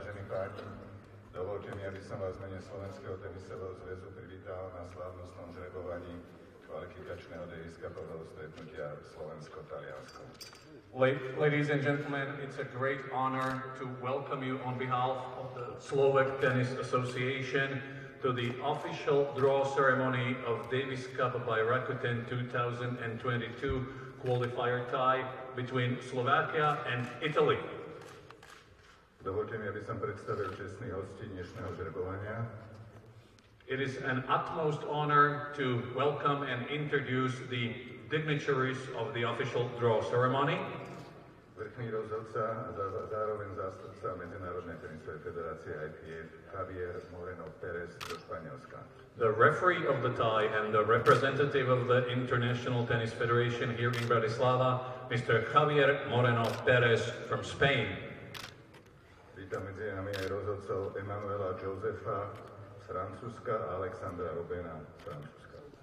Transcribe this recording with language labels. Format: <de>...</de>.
<sk>vás mene Slovenského tenisového zväzu privítal na slávnostnom žrebovaní kvalifikačného dejiska prvého stretnutia Slovensko-Taliansko.</sk> <en>Ladies and gentlemen, it's a great honor to welcome you on behalf of the Slovak Tennis Association to the official draw ceremony of Davis Cup by Rakuten 2022 qualifier tie between Slovakia and Italy.</en> <sk>Dovolte mi, aby som predstavil čestných hostí dnešného žrebovania.</sk> <en>It is an utmost honor to welcome and introduce the dignitaries of the official draw ceremony.</en> <sk>Vrchný rozhodca a zároveň zástupca Medzinárodnej tenisovej federácie ITF Javier Moreno Perez zo Španielska.</sk> <en>The referee of the tie and the representative of the International Tennis Federation here in Bratislava, Mr. Javier Moreno Perez from Spain.</en> <sk>Vítam medzi nami aj rozhodcov Emanuela Josefa z Francúzska a Alexandra Robena z Francúzska.</sk>